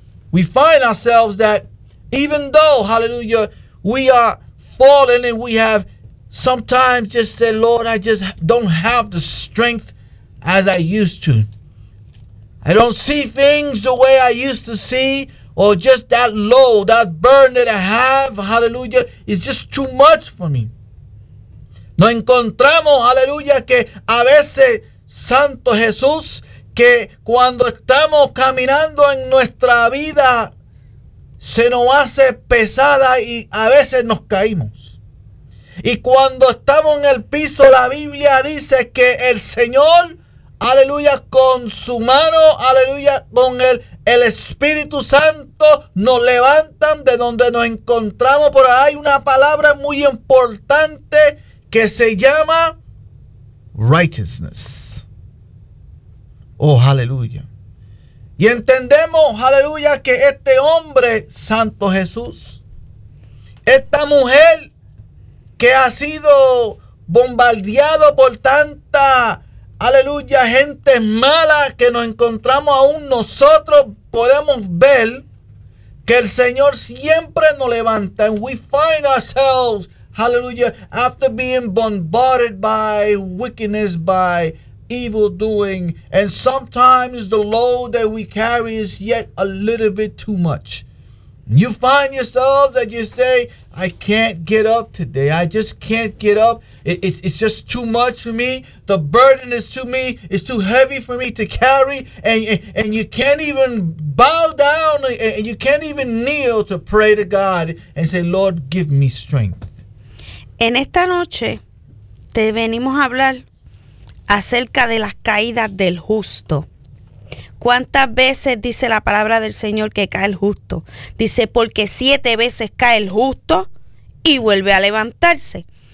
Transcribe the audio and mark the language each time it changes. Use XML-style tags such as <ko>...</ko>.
<en>We find ourselves that even though, hallelujah, we are fallen and we have sometimes just said, Lord, I just don't have the strength as I used to. I don't see things the way I used to see, or just that load, that burden that I have, hallelujah, is just too much for me.</en> <es>Nos encontramos, aleluya, que a veces, Santo Jesús, que cuando estamos caminando en nuestra vida, se nos hace pesada y a veces nos caímos. Y cuando estamos en el piso, la Biblia dice que el Señor, aleluya, con su mano, aleluya, con el Espíritu Santo, nos levantan de donde nos encontramos. Pero hay una palabra muy importante que se llama righteousness. Oh, aleluya. Y entendemos, aleluya, que este hombre, Santo Jesús, esta mujer que ha sido bombardeado por tanta, aleluya, gente mala que nos encontramos aún nosotros, podemos ver que el Señor siempre nos levanta.</es> <en>And we find ourselves, hallelujah, after being bombarded by wickedness, by evil doing, and sometimes the load that we carry is yet a little bit too much. You find yourself that you say, I can't get up today. I just can't get up. It's just too much for me. The burden is too me. It's too heavy for me to carry. And you can't even bow down. And you can't even kneel to pray to God and say, Lord, give me strength.</en> <es>En esta noche te venimos a hablar acerca de las caídas del justo. ¿Cuántas veces dice la palabra del Señor que cae el justo? Dice, porque siete veces cae el justo y vuelve a levantarse.</es>